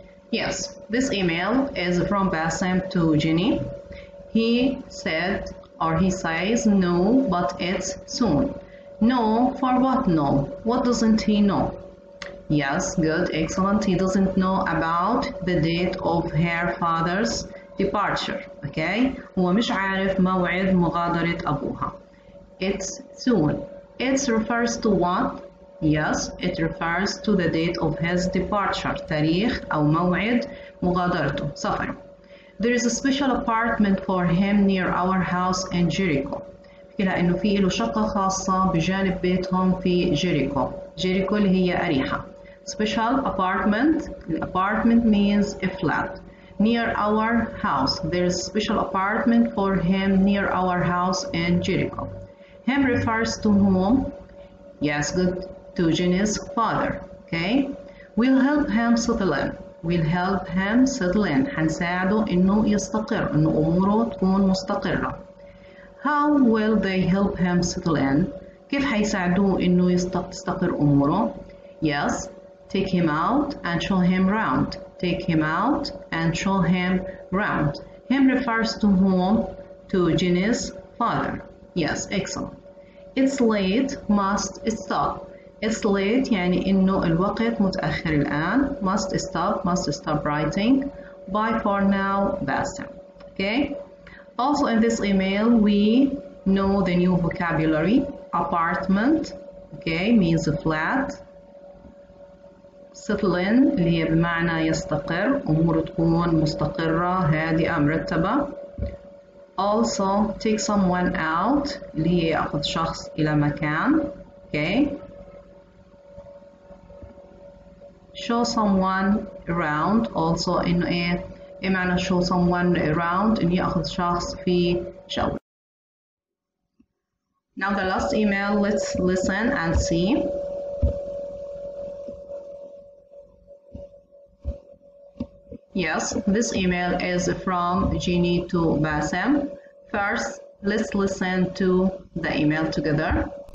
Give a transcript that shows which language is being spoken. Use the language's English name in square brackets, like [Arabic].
[English] Yes, this email is from Bassem to Jenny. He said, or he says, no, but it's soon. No, for what no? What doesn't he know? Yes, good, excellent. He doesn't know about the date of her father's departure. Okay? [Arabic] هو مش عارف موعد مغادرة أبوها. [English] It's soon. It refers to what? Yes, it refers to the date of his departure. [Arabic] تاريخ أو موعد مغادرته. سفر. [English] There is a special apartment for him near our house in Jericho. [Arabic] إلى إنه في له شقة خاصة بجانب بيتهم في جيريكو. جيريكو اللي هي أريحة. [English] Special apartment. Apartment means a flat. Near our house. There is a special apartment for him near our house in Jericho. Him refers to whom? Yes, good. To Jenny's father. Okay. We'll help him settle in. We'll help him settle in. [Arabic] حنساعده إنه يستقر، إنه أموره تكون مستقرة. [English] How will they help him settle in? [Arabic] كيف حيساعدوه إنه يستقر أموره؟ [English] Yes, take him out and show him round. Take him out and show him round. Him refers to whom? To Jenny's father. Yes, excellent. It's late, must stop. It's late [Arabic] يعني إنه الوقت متأخر الآن. [English] Must stop writing. Bye for now, Bassem. Okay. Also in this email, we know the new vocabulary. Apartment, okay, means a flat. [Arabic] Settling اللي هي بمعنى يستقر. أمور تكون مستقرة هادئة مرتبة. [English] Also take someone out [Arabic] اللي هي أخذ شخص إلى مكان. Okay. [English] Show someone around also [Arabic] إنه إيه إيه معنى [English] show someone around [Arabic] إنه يأخذ شخص في جولة. [English] Now the last email, let's listen and see. Yes, this email is from Jeannie to Basem. First, let's listen to the email together.